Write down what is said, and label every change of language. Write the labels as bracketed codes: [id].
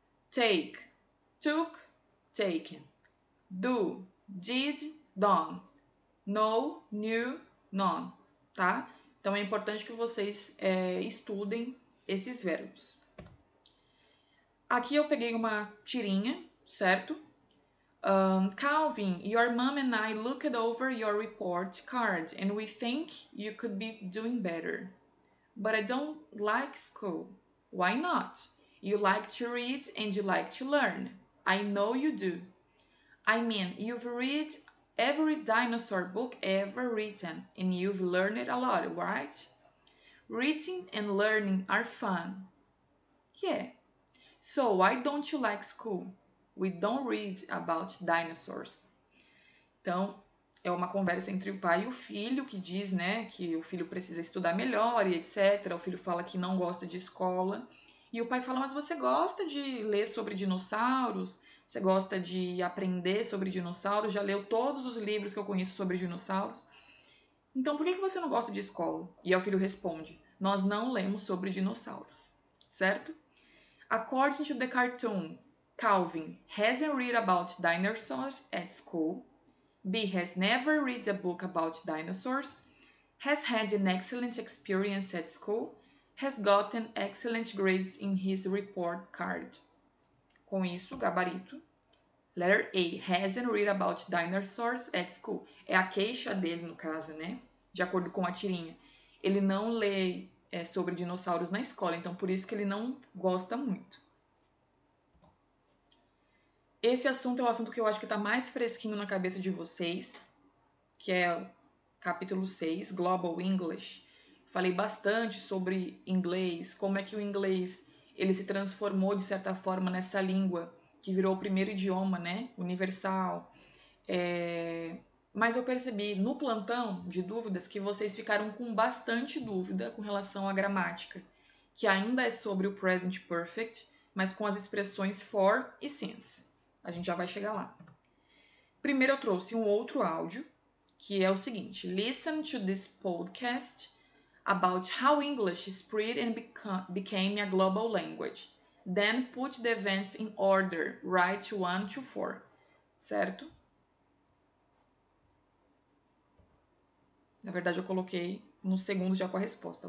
[en] Take, took, taken. Do, did, done. No, knew, none. [pt] Tá? Então, é importante que vocês estudem esses verbos. Aqui eu peguei uma tirinha, certo? [en] Calvin, your mom and I looked over your report card and we think you could be doing better. But I don't like school. Why not? You like to read and you like to learn. I know you do. I mean, you've read every dinosaur book ever written and you've learned a lot, right? Reading and learning are fun. Yeah. So why don't you like school? We don't read about dinosaurs. [pt] Então, é uma conversa entre o pai e o filho que diz, né, que o filho precisa estudar melhor e etc. O filho fala que não gosta de escola. E o pai fala, mas você gosta de ler sobre dinossauros? Você gosta de aprender sobre dinossauros? Já leu todos os livros que eu conheço sobre dinossauros? Então, por que você não gosta de escola? E aí o filho responde, nós não lemos sobre dinossauros. Certo? [en] According to the cartoon, Calvin hasn't read about dinosaurs at school. B has never read a book about dinosaurs. Has had an excellent experience at school. Has gotten excellent grades in his report card. [pt] Com isso, gabarito. [en] Letter A, hasn't read about dinosaurs at school. [pt] É a queixa dele, no caso, né? De acordo com a tirinha. Ele não lê sobre dinossauros na escola, então por isso que ele não gosta muito. Esse assunto é o assunto que eu acho que está mais fresquinho na cabeça de vocês, que é capítulo 6, Global English. Falei bastante sobre inglês, como é que o inglês ele se transformou, de certa forma, nessa língua que virou o primeiro idioma, né, universal. Mas eu percebi no plantão de dúvidas que vocês ficaram com bastante dúvida com relação à gramática, que ainda é sobre o present perfect, mas com as expressões for e since. A gente já vai chegar lá. Primeiro eu trouxe um outro áudio, que é o seguinte: [en] listen to this podcast about how English spread and became a global language. Then put the events in order, write 1 to 4. [pt] Certo? Na verdade, eu coloquei no segundo já com a resposta.